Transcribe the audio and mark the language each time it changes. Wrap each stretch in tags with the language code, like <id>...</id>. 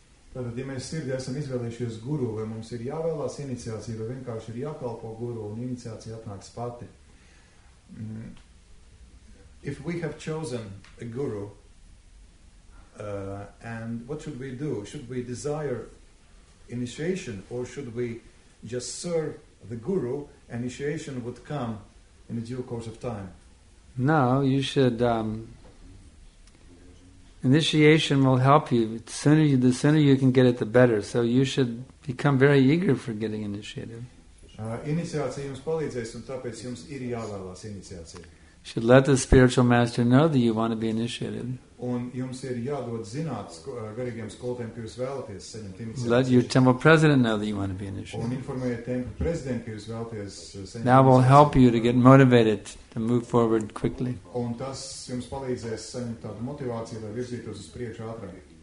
<lv>Tātad, ja mēs sirdi esam izvēlējušies guru, vai mums ir jāvēlās iniciācija, vai vienkārši jākalpo guru un iniciācija atnāks pati?</lv> <en>If we have chosen a guru, and what should we do? Should we desire initiation, or should we just serve the guru, and initiation would come in a due course of time? No, you should... Initiation will help you. The sooner you can get it, the better. So you should become very eager for getting initiated.</en> <lv>Iniciācija jums palīdzēs, un tāpēc jums ir jāvēlās iniciācija.</lv> <en>Should let the spiritual master know that you want to be initiated.</en> <lv>Un jums ir jādod zināt garīgiem skolotiem, ka jūs vēlaties saņemt iniciāciju.</lv> <en>Let your temple president know that you want to be initiated.</en> <lv>Un informējiet templu prezidentu, ka jūs vēlaties saņemt iniciāciju.</lv> <en>That will help you to get motivated to move forward quickly.</en> <lv>Un tas jums palīdzēs saņemt tādu motivāciju, lai virzītos uz priekšu ātrāk.</lv>